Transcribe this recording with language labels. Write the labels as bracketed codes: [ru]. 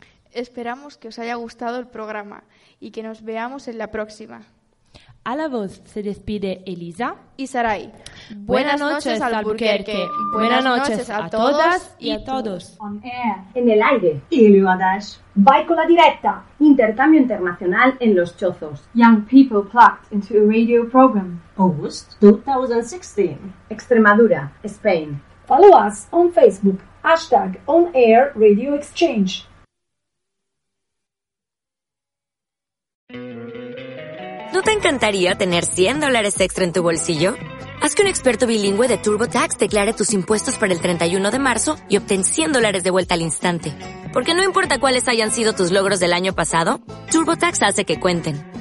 [es] Esperamos que os haya gustado el programa y que nos veamos en la próxima. A la voz se despide Elisa y Sarai. Buenas noches, Albuquerque. Buenas noches a todas y a todos. [en] On air. [es] En el aire. Ilumadas. Bye con la directa. Intercambio internacional en los chozos. [en] Young people plucked into a radio program. August 2016. Extremadura, Spain. Follow us on Facebook. Hashtag on air radio exchange. [es] ¿No te encantaría tener $100 extra en tu bolsillo? Haz que un experto bilingüe de TurboTax declare tus impuestos para el 31 de marzo y obtén $100 de vuelta al instante. Porque no importa cuáles hayan sido tus logros del año pasado, TurboTax hace que cuenten.